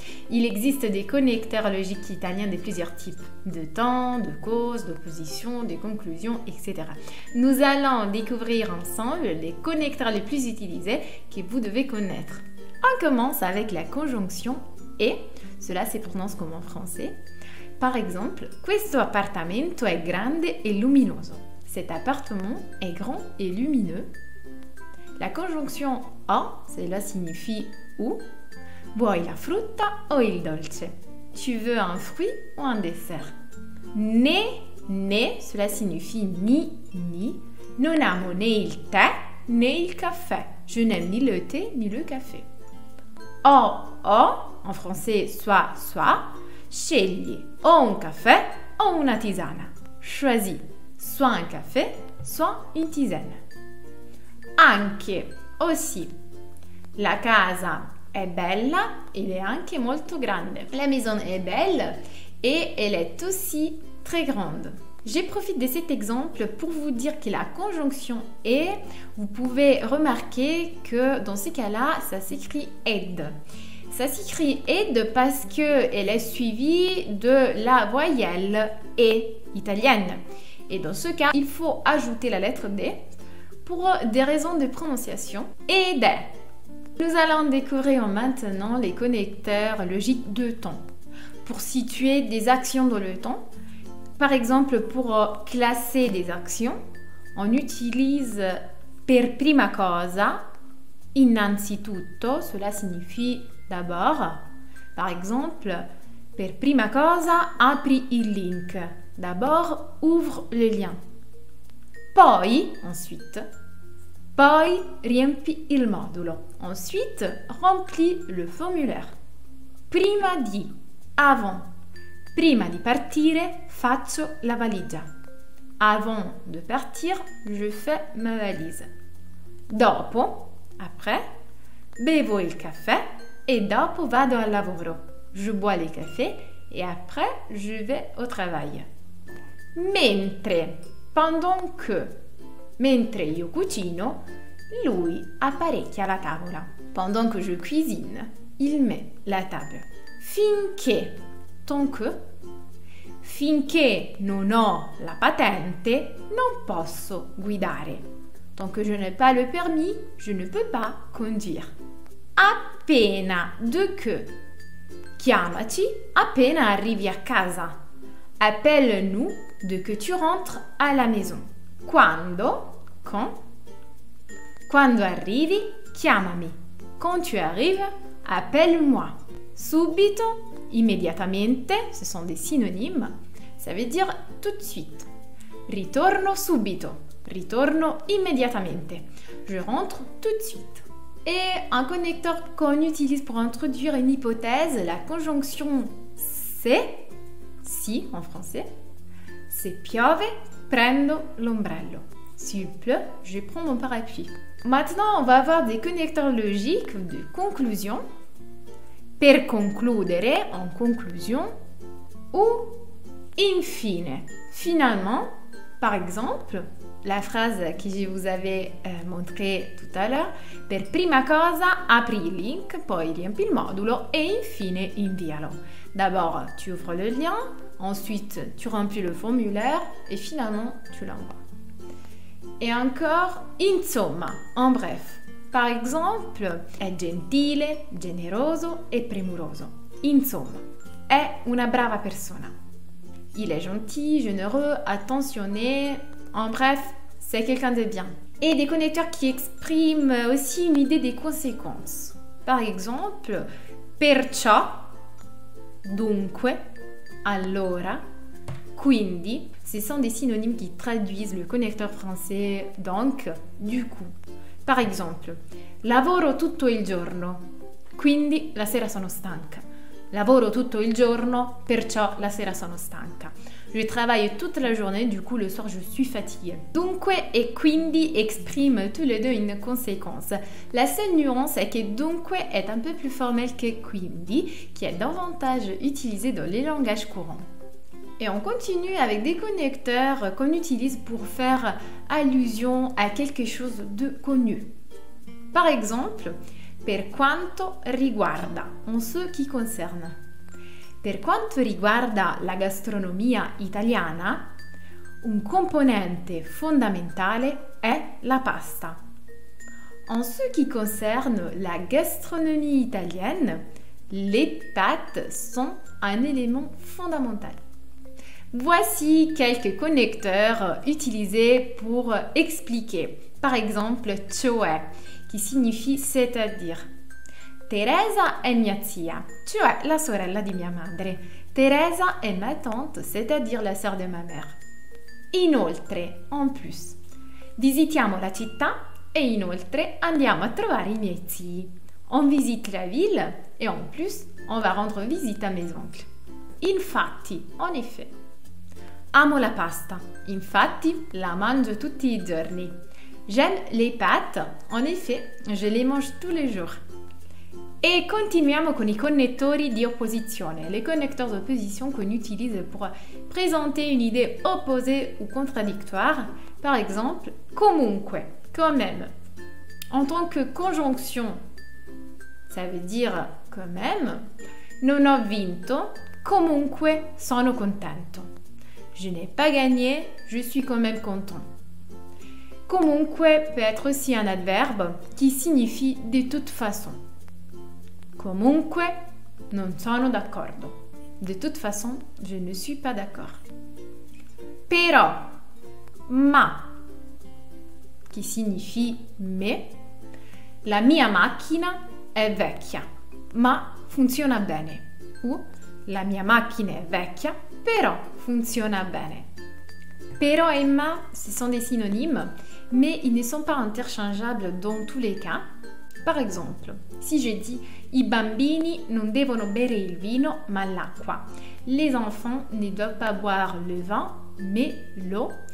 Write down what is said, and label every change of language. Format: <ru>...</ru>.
<fr>Il existe des connecteurs logiques italiens de plusieurs types, de temps, de cause, d'opposition, de conclusion, etc. Nous allons découvrir ensemble les connecteurs les plus utilisés que vous devez connaître. On commence avec la conjonction « et ». Cela se prononce comme en français. Par exemple,</fr> <it>questo appartamento è grande e luminoso.</it> <fr>Cet appartement est grand et lumineux. La conjonction a, cela signifie ou.</fr> <it>Vuoi la frutta o il dolce?</it> <fr>Tu veux un fruit ou un dessert? Né, cela signifie ni.</fr> <it>Non amo né il tè né il caffè.</it> <fr>Je n'aime ni le thé ni le café. O, en français, soit,</fr> <it>scegli, o un caffè, o una tisana.</it> <fr>Choisis, soit un café, soit une tisane. Anche, aussi.</fr> <it>La casa è bella, ed è anche molto grande.</it> <fr>La maison est belle, et elle est aussi très grande. Je profite de cet exemple pour vous dire que la conjonction « et », vous pouvez remarquer que dans ces cas-là, ça s'écrit « ed ». Ça s'écrit « ed » parce qu'elle est suivie de la voyelle « e » italienne. Et dans ce cas, il faut ajouter la lettre « d » pour des raisons de prononciation « ed ». Nous allons découvrir maintenant les connecteurs logiques de temps. Pour situer des actions dans le temps, par exemple, pour classer des actions, on utilise per prima cosa, innanzitutto, cela signifie d'abord.</fr> <it>Par exemple, per prima cosa, apri il link.</it> <fr>D'abord, ouvre le lien. Poi, ensuite.</fr> <it>Poi, riempi il modulo.</it> <fr>Ensuite, remplis le formulaire. Prima di, avant.</fr> <it>Prima di partire, faccio la valigia.</it> <fr>Avant de partir, je fais ma valise.</fr> <it>Dopo, après, bevo il caffè e dopo vado al lavoro.</it> <fr>Je bois le café et après, je vais au travail.</fr> <it>Mentre, pendant que, mentre io cucino, lui apparecchia la tavola.</it> <fr>Pendant que je cuisine, il met la table. Finché, tant que,</fr> <it>finché non ho la patente, non posso guidare.</it> <fr>Tant que je n'ai pas le permis, je ne peux pas conduire. Appena, de que.</fr> <it>Chiamaci appena arrivi a casa.</it> <fr>Appelle-nous de que tu rentres à la maison. Quando, quand.</fr> <it>Quando arrivi, chiamami.</it> <fr>Quand tu arrives, appelle-moi. Subito, immediatamente, ce sont des synonymes. Ça veut dire tout de suite.</fr> <it>Ritorno subito. Ritorno immediatamente.</it> <fr>Je rentre tout de suite. Et un connecteur qu'on utilise pour introduire une hypothèse, la conjonction c'est, si en français.</fr> <it>Se piove, prendo l'ombrello.</it> <fr>S'il pleut, je prends mon parapluie. Maintenant, on va avoir des connecteurs logiques de conclusion. Per concludere, en conclusion, ou in fine. Finalement, par exemple, la phrase que je vous avais montrée tout à l'heure,</fr> <it>per prima cosa, apri il link, poi riempi il modulo</it> <fr>et</fr> <it>infine invialo.</it> <fr>D'abord, tu ouvres le lien, ensuite, tu remplis le formulaire et finalement, tu l'envoies. Et encore, insomma, en bref. Par exemple,</fr> <it>è gentile, generoso e premuroso. Insomma, è una brava persona.</it> <fr>Il est gentil, généreux, attentionné. En bref, c'est quelqu'un de bien. Et des connecteurs qui expriment aussi une idée des conséquences. Par exemple, perciò, dunque, allora, quindi. Ce sont des synonymes qui traduisent le connecteur français donc, du coup. Par exemple,</fr> <it>lavoro tutto il giorno, quindi la sera sono stanca. Lavoro tutto il giorno, perciò la sera sono stanca.</it> <fr>Je travaille toute la journée, du coup le soir je suis fatiguée. Dunque et quindi expriment tous les deux une conséquence. La seule nuance est que dunque est un peu plus formel que quindi, qui est davantage utilisé dans les langages courants. Et on continue avec des connecteurs qu'on utilise pour faire allusion à quelque chose de connu. Par exemple, per quanto riguarda, en ce qui concerne.</fr> <it>Per quanto riguarda la gastronomia italiana, un componente fondamentale è la pasta.</it> <fr>En ce qui concerne la gastronomie italienne, les pâtes sont un élément fondamental. Voici quelques connecteurs utilisés pour expliquer. Par exemple, cioè, qui signifie c'est-à-dire.</fr> <it>Teresa è mia zia, cioè la sorella di mia madre.</it> <fr>Teresa è ma tante, c'est-à-dire la sœur de ma mère.</fr> <it>Inoltre, en plus, visitiamo la città e inoltre andiamo a trovare i miei zii.</it> <fr>On visite la ville et en plus, on va rendre visite à mes oncles. Infatti, en effet.</fr> <it>Amo la pasta, infatti la mangio tutti i giorni.</it> <fr>J'aime les pâtes, en effet, je les mange tous les jours.</fr> <it>E continuiamo con i connettori di opposizione,</it> <fr>les connecteurs d'opposition qu'on utilise pour présenter une idée opposée ou contradictoire. Par exemple, comunque, quand même. En tant que conjonction, ça veut dire quand même.</fr> <it>Non ho vinto, comunque sono contento.</it> <fr>Je n'ai pas gagné, je suis quand même content. Comunque peut être aussi un adverbe qui signifie de toute façon.</fr> <it>Comunque, non sono d'accordo.</it> <fr>De toute façon, je ne suis pas d'accord.</fr> <it>Però, ma,</it> <fr>qui signifie mais,</fr> <it>la mia macchina è vecchia, ma funziona bene. Ou, la mia macchina è vecchia, però funziona bene.</it> <fr>Però et ma, ce sont des synonymes, mais ils ne sont pas interchangeables dans tous les cas. Par exemple, si je dis</fr> <it>i bambini non devono bere il vino, ma l'acqua.</it> <fr>Les enfants ne doivent pas boire le vin, mais l'eau.</fr>